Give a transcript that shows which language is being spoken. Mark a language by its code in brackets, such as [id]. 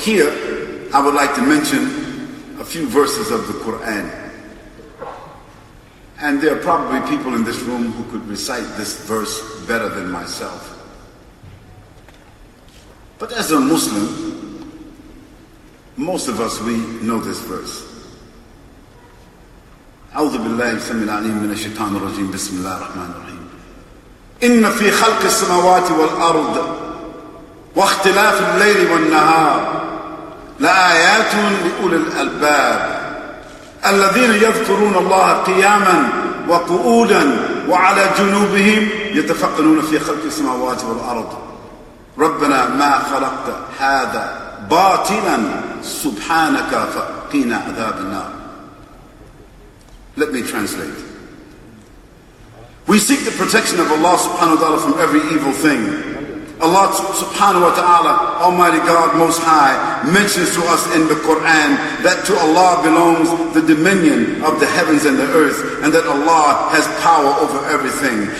[en] Here, I would like to mention a few verses of the Quran. And there are probably people in this room who could recite this verse better than myself. But as a Muslim, most of us, we know this verse. [ar] أعوذ بالله السميع العليم من الشيطان الرجيم بسم الله الرحمن الرحيم إن في خلق السماوات والأرض واختلاف الليل والنهار لآيات لأولي الألباب الذين يذكرون الله قياما وقعودا وعلى جنوبهم يتفقهون في خلق السماوات والأرض ربنا ما خلقت هذا باطلا سبحانك فقنا عذاب النار. [en] Let me translate. We seek the protection of Allah subhanahu wa ta'ala from every evil thing. Allah subhanahu wa ta'ala, Almighty God, Most High, mentions to us in the Quran that to Allah belongs the dominion of the heavens and the earth, and that Allah has power over everything.